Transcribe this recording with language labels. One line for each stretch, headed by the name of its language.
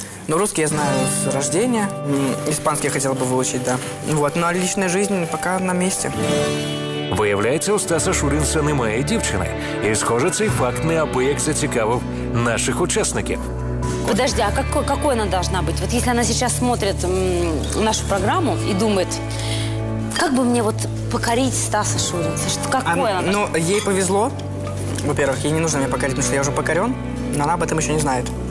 Russian: Ну, русский я знаю с рождения. Испанский я хотел бы выучить, да. Вот, но личная жизнь пока на месте.
Ukrainian: Виявляється, у Стаса Шурінса немає дівчини. І, схоже, цей факт неабияк зацікавив наших учасників.
Russian: Подожди, а какой она должна быть? Вот если она сейчас смотрит нашу программу и думает, как как бы мне вот покорить Стаса Шуринца? Что, какое она? Ну, ей повезло. Во-первых, ей не нужно меня покорить, потому что я уже покорен. Но она об этом еще не знает.